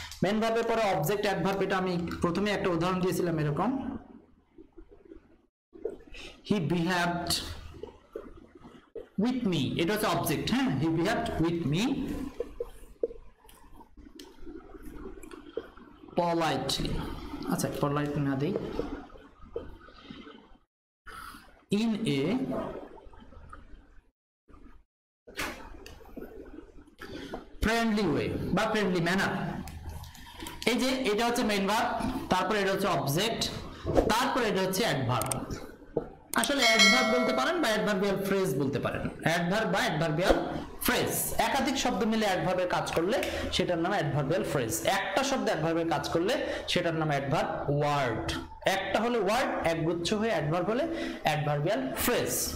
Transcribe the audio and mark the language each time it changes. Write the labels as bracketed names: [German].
[Bangla] Main ভার্বের পরে object adverb, এটা আমি প্রথমে একটা উদাহরণ দিয়েছিলাম এরকম, [English] he behaved with me, [Bangla] এটা হচ্ছে অবজেক্ট, হ্যাঁ, [English] He behaved with me politely. [Bangla] আচ্ছা, পলাইট না দিই, [English] in a friendly way [Bangla] বা friendly manner। এই যে এটা হচ্ছে মেইন ভার্ব, তারপরে এটা হচ্ছে অবজেক্ট, তারপরে এটা হচ্ছে অ্যাডভার্ব। আসলে অ্যাডভার্ব বলতে পারেন বা অ্যাডভার্বিয়াল ফ্রেজ বলতে পারেন, অ্যাডভার্ব বা অ্যাডভার্বিয়াল ফ্রেজ, একাধিক শব্দ মিলে অ্যাডভার্বের কাজ করলে সেটার নাম অ্যাডভার্বিয়াল ফ্রেজ, একটা শব্দ অ্যাডভার্বের কাজ করলে সেটার নাম অ্যাডভার্ব ওয়ার্ড, একটা হলে ওয়ার্ড, একগুচ্ছ হয়ে অ্যাডভার্ব হলে অ্যাডভার্বিয়াল ফ্রেজ।